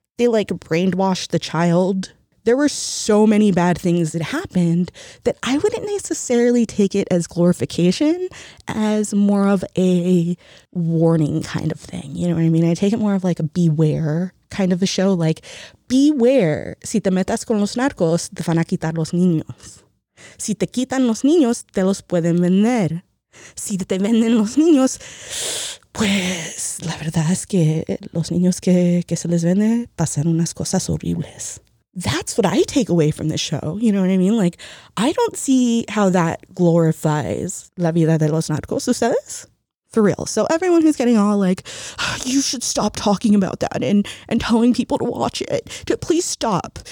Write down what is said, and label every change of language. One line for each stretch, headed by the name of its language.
English: They like brainwashed the child. There were so many bad things that happened that I wouldn't necessarily take it as glorification, as more of a warning kind of thing. You know what I mean? I take it more of like a beware kind of a show. Like, beware.
Spanish: Si te metas con los narcos, te van a quitar los niños. Si te quitan los niños, te los pueden vender. Si te venden los niños, pues la verdad es que los niños que se les vende pasan unas cosas horribles.
English: That's what I take away from the show. You know what I mean? Like, I don't see how that glorifies
Spanish: la vida de los narcos, ¿ustedes?
English: for real. So everyone who's getting all like, you should stop talking about that and telling people to watch it, please stop.